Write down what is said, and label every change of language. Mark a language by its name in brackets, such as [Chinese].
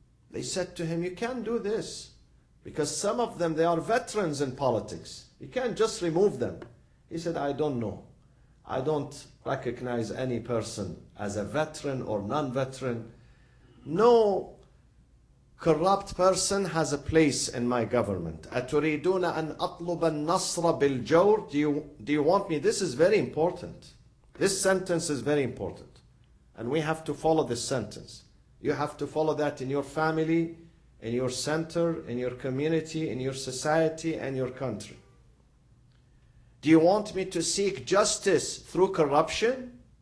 [English] They said to him, you can't do this, because some of them, they are veterans in politics. You can't just remove them. He said, I don't know. I don't recognize any person as a veteran or non-veteran. No corrupt person has a place in my government. [Arabic] أَتُرِيدُونَ أَنْ أَطْلُبَ النَّصْرَ بِالْجَوْرِ [English] Do you want me? This is very important. This sentence is very important. And we have to follow this sentence. You have to follow that in your family, in your center, in your community, in your society, and your country. Do you want me to seek justice through corruption?